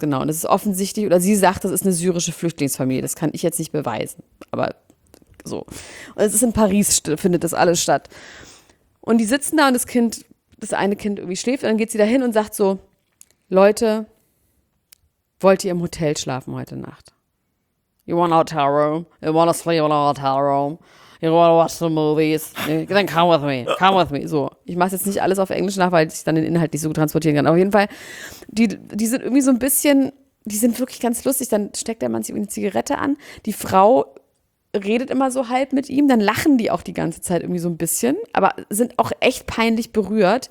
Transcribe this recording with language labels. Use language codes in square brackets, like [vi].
[de] Genau. Und das ist offensichtlich, oder sie sagt, das ist eine syrische Flüchtlingsfamilie, das kann ich jetzt nicht beweisen, aber so. Und es ist in Paris, findet das alles statt. Und die sitzen da und das Kind, das eine Kind irgendwie schläft und dann geht sie da hin und sagt so, Leute, wollt ihr im Hotel schlafen heute Nacht? [en] You want a hotel room? You want to sleep in a hotel room? You want to watch some movies? Nee, then come with me. Come with me. [de] So, ich mache jetzt nicht alles auf Englisch nach, weil ich dann den Inhalt nicht so transportieren kann. Aber auf jeden Fall, die sind irgendwie so ein bisschen, die sind wirklich ganz lustig. Dann steckt der Mann sich eine Zigarette an. Die Frau redet immer so halb mit ihm. Dann lachen die auch die ganze Zeit irgendwie so ein bisschen. Aber sind auch echt peinlich berührt.